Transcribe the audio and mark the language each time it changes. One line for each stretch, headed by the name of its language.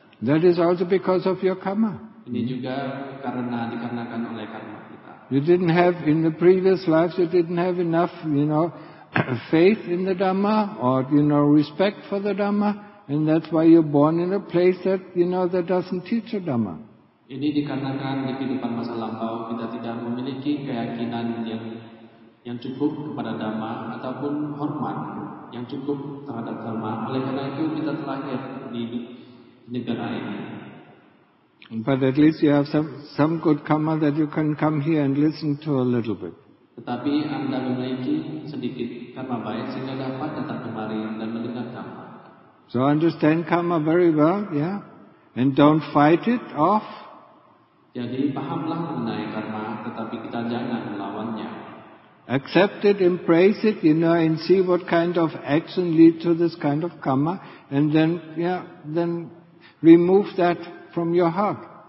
English: That is also because of your karma.
Indonesian: Ini juga karena dikarenakan oleh karma kita.
English: You didn't have in the previous lives, you didn't have enough, you know, faith in the Dhamma or, you know, respect for the Dhamma, and that's why you're born in a place that, you know, that doesn't teach a Dhamma.
Indonesian: Ini dikarenakan di kehidupan masa lampau kita tidak memiliki keyakinan yang cukup kepada dhamma ataupun hormat yang cukup terhadap dhamma. Oleh karena itu kita terlahir di negara ini.
English: But at least you have some good karma that you can come here and listen to a little bit.
Indonesian: Tetapi Anda memiliki sedikit karma baik sehingga dapat datang kemari dan mendengar karma.
English: So understand karma very well, yeah, and don't fight it off.
Indonesian: Jadi pahamlah mengenai karma, tetapi kita jangan melawannya.
English: Accept it, embrace it, you know, and see what kind of action leads to this kind of karma, and then remove that from your heart.